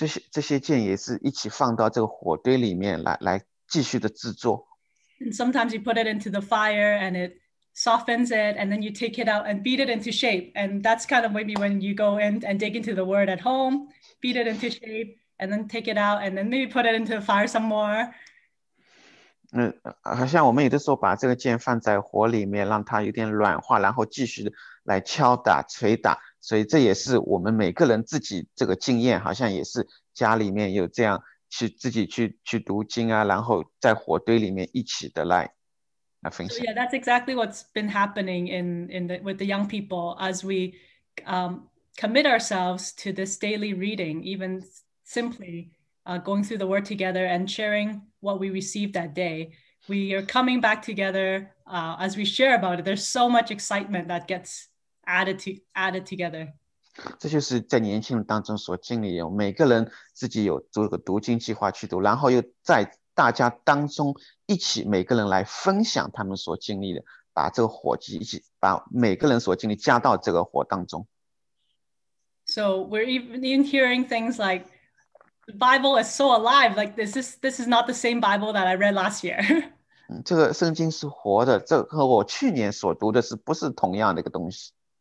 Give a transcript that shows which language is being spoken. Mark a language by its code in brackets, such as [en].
[zh] 这些剑也是一起放到这个火堆里面来继续的制作。 [en] And sometimes you put it into the fire and it softens it, and then you take it out and beat it into shape. And that's kind of maybe when you go in and dig into the word at home, beat it into shape, and then take it out, and then maybe put it into the fire some more. [zh] 好像我们有的时候把这个剑放在火里面，让它有点软化，然后继续来敲打、捶打。所以这也是我们每个人自己这个经验，好像也是家里面有这样去自己去读经啊，然后在火堆里面一起的来分享。 [en] So, yeah, that's exactly what's been happening with the young people as we commit ourselves to this daily reading, even simply. Going through the word together and sharing what we received that day. We are coming back together as we share about it. There's so much excitement that gets added together. [zh] 这就是在年轻人当中所经历的，每个人自己有这个读经计划去读，然后又在大家当中一起每个人来分享他们所经历的，把这个火机一起把每个人所经历加到这个火当中。 [en] So we're even hearing things like,The Bible is so alive. Like this is not the same Bible that I read last year. [zh] 这个圣经是活的，这和我去年所读的是不是同样的一个东西？